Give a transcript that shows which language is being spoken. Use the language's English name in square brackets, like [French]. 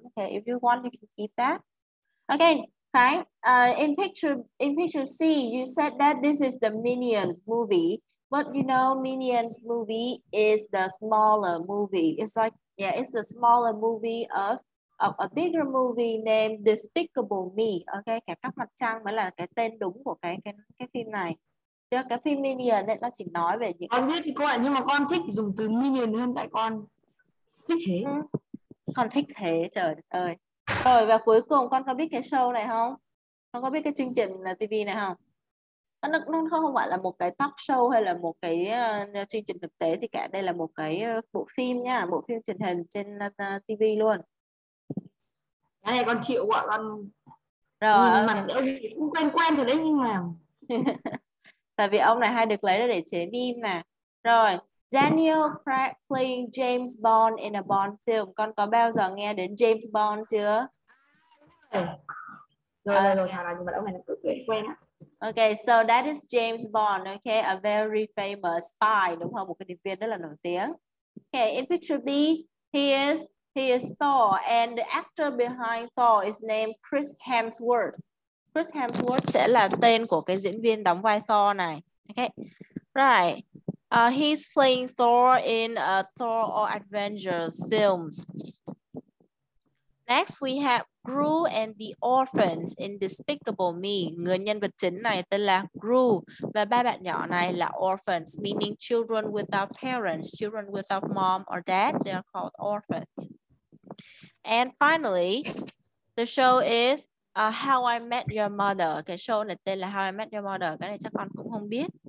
[English] Okay, if you want, you can keep that. Okay. Right. In picture C, you said that this is the Minions movie, but you know Minions movie is the smaller movie. It's the smaller movie of a bigger movie named Despicable Me. [Vietnamese] Okay, Kẻ Cắp Mặt Trăng mới là cái tên đúng của cái phim này. Chứ cái phim Minion nên nó chỉ nói về những. Con biết thì con, nhưng mà con thích dùng từ Minion hơn tại con thích thế. Con thích thế, trời ơi. Rồi và cuối cùng con có biết cái show này không? Con có biết cái chương trình TV này không? Nó không phải là một cái talk show hay là một cái chương trình thực tế gì cả. Đây là một cái bộ phim nha, bộ phim truyền hình trên tivi luôn. Cái này con chịu ạ, con nhìn mặt Ok. ông cũng quen quen rồi đấy nhưng mà. Tại vì ông này hay được lấy ra để chế meme nè. Rồi, [English] Daniel Craig playing James Bond in a Bond film. [Vietnamese] Con có bao giờ nghe đến James Bond chưa? Rồi rồi rồi, thằng nào nhìn mặt ông này nó cứ quen quen á. [English] Okay, so that is James Bond, okay, a very famous spy, [Vietnamese] đúng không? Một cái điệp viên rất là nổi tiếng. [English] Okay, in picture B, he is Thor, and the actor behind Thor is named Chris Hemsworth. [Vietnamese] Chris Hemsworth sẽ là tên của cái diễn viên đóng vai Thor này. [English] Okay, right. He's playing Thor in a Thor or Avengers films. Next, we have Gru and the Orphans in Despicable Me. [Vietnamese] Người nhân vật chính này tên là Gru và ba bạn nhỏ này là orphans, [English] meaning children without parents, children without mom or dad. They are called orphans. And finally, the show is How I Met Your Mother. [Vietnamese] Cái show này tên là How I Met Your Mother. Cái này chắc con cũng không biết.